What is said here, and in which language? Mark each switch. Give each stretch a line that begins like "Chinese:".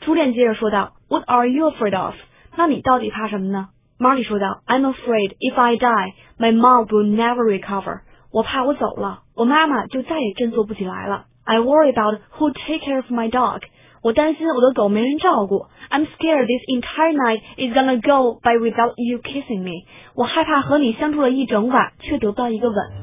Chinese: 朱莲接着说道
English: ：“What are you afraid of？
Chinese: 那你到底怕什么呢
English: ？”Marley
Chinese: 说道
English: ：“I'm afraid if I die, my mom will never recover.
Chinese: 我怕我走了，我妈妈就再也振作不起来了。
English: I worry about who take care of my dog.
Chinese: 我担心我的狗没人照顾。
English: I'm scared this entire night is gonna go by without you kissing me.
Chinese: 我害怕和你相处了一整晚却得不到一个吻。